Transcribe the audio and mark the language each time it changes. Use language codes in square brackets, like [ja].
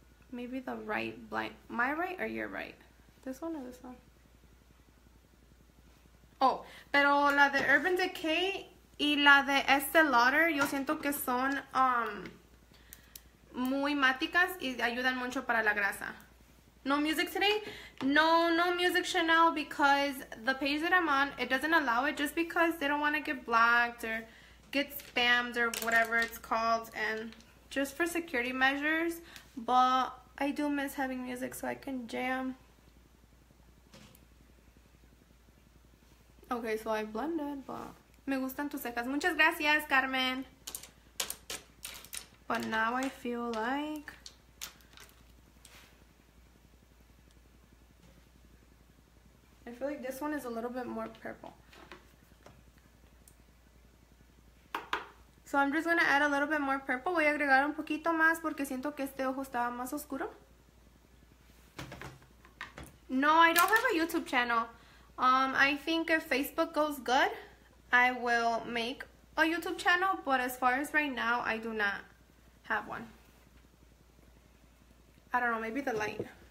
[en] Maybe the right blind, my right or your right? This one or this one? [es] Oh, pero la de Urban Decay y la de Estee Lauder, yo siento que son muy máticas y ayudan mucho para la grasa. [en] No music today? No music Chanel because the page that I'm on, it doesn't allow it just because they don't want to get blocked or get spammed or whatever it's called. And just for security measures, but I do miss having music so I can jam. Okay, so I blended, but... [es] Me gustan tus cejas. Muchas gracias, [en] Carmen. But now I feel like... I feel like this one is a little bit more purple. So I'm just going to add a little bit more purple. [es] Voy a agregar un poquito más porque siento que este ojo estaba más oscuro. [en] No, I don't have a YouTube channel. I think if Facebook goes good, I will make a YouTube channel, but as far as right now, I do not have one. I don't know, maybe the light.